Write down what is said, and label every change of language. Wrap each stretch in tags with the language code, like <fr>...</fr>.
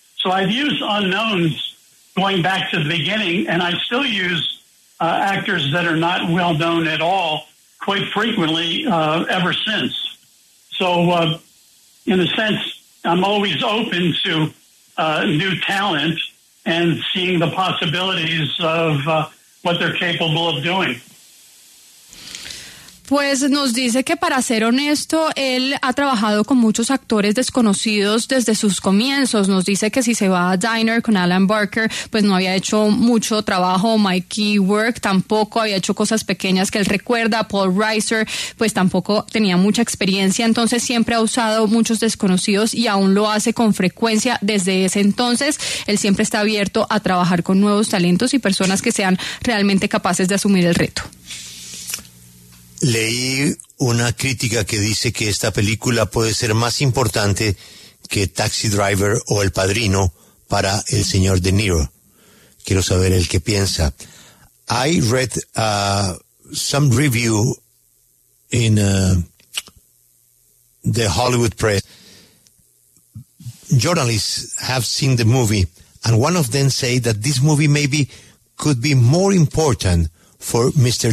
<en>So I've used unknowns going back to the beginning, and I still use actors that are not well-known at all quite frequently ever since. So in a sense, I'm always open to new talent and seeing the possibilities of what they're capable of doing.</en> <es>Pues nos dice que, para ser honesto, él ha trabajado con muchos actores desconocidos desde sus comienzos. Nos dice que si se va a Diner con Alan Barker, pues no había hecho mucho trabajo. Mickey Rourke tampoco había hecho cosas pequeñas que él recuerda. Paul Reiser, pues tampoco tenía mucha experiencia. Entonces siempre ha usado muchos desconocidos y aún lo hace con frecuencia desde ese entonces. Él siempre está abierto a trabajar con nuevos talentos y personas que sean realmente capaces de asumir el reto. Leí una crítica que dice que esta película puede ser más importante que Taxi Driver o El Padrino para el señor De Niro. Quiero saber el que piensa.</es> <en>I read some review in the Hollywood Press. Journalists have seen the movie, and one of them say that this movie maybe could be more important for Mr.</en>